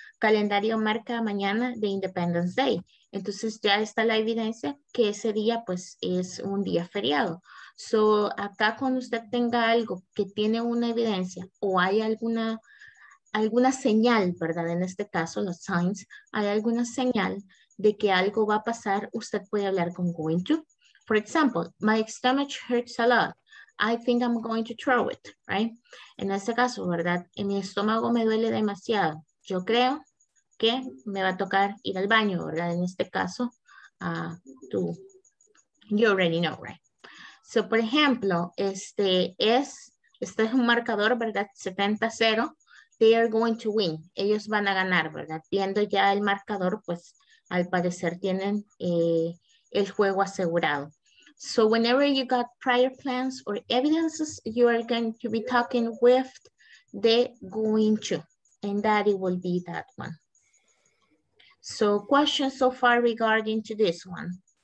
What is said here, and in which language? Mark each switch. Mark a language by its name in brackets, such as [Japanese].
[Spanish] Calendario marca mañana de Independence Day. Entonces, ya está la evidencia que ese día, pues, es un día feriado. So, acá cuando usted tenga algo que tiene una evidencia o hay alguna señal, ¿verdad? En este caso, los signs, hay alguna señal de que algo va a pasar, usted puede hablar con going to. [English] For example, my stomach hurts a lot. I think I'm going to throw it, right? [Spanish] En este caso, ¿verdad? En mi estómago me duele demasiado. Yo creo que me va a tocar ir al baño, ¿verdad? En este caso, [English] you already know, right? [Spanish] So, por ejemplo, este es un marcador, ¿verdad? 70-0. [English] They are going to win. [Spanish] Ellos van a ganar, ¿verdad? Viendo ya el marcador, pues, al parecer tienen el juego asegurado. [English] So, whenever you got prior plans or evidences, you are going to be talking with the going to. And that it will be that one. So, questions so far regarding to this one?